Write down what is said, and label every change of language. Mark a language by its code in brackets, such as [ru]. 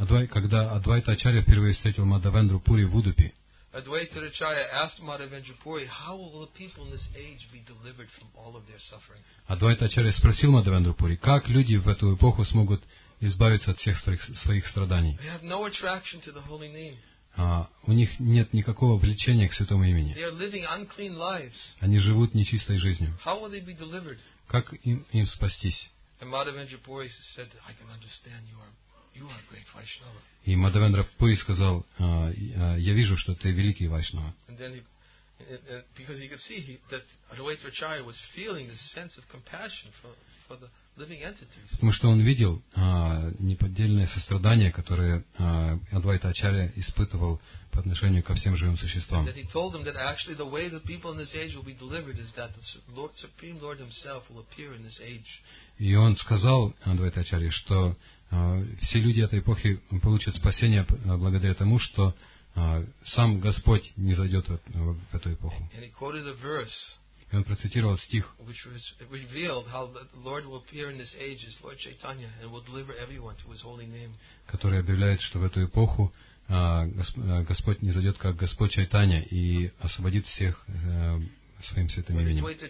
[ru] Когда Адвайта Ачарья впервые встретил Мадхавендру Пури в Удупи, [en] Адвайта Ачарья asked Мадхавендру Пури, how will the people in this age be delivered from all of their suffering? [ru] Адвайта Ачарья спросил Мадхавендру Пури, как люди в эту эпоху смогут избавиться от всех своих страданий. [en] They have no attraction to the holy name. [ru] У них нет никакого влечения к святому имени. [en] They are living unclean lives. [ru] Они живут нечистой жизнью. [en] How will they be delivered? [ru] Как им спастись? [en] And Madhavendra Puri said, I can understand you are great Vaishnava. [ru] И Мадхавендра Пури сказал, я вижу, что ты великий Вайшнава. [en] And then because he could see that Advaita Acharya was feeling this sense of compassion for the living entities. [ru] Потому что он видел неподдельное сострадание, которое Адвайта Ачарья испытывал по отношению ко всем живым существам. [en] And he told them that actually the way the people in this age will be delivered is that the Lord, Supreme Lord Himself will appear in this age. [ru] И он сказал Адвайта Ачарье, что все люди этой эпохи получат спасение благодаря тому, что сам Господь не зайдет в эту эпоху. [en] And he quoted a verse, [ru] и он процитировал стих, [en] which was revealed how the Lord will appear in this age as Lord Chaitanya and will deliver everyone to his holy name. [ru] Который объявляет, что в эту эпоху Господь не зайдет как Господь Чайтанья и освободит всех своим святым именем.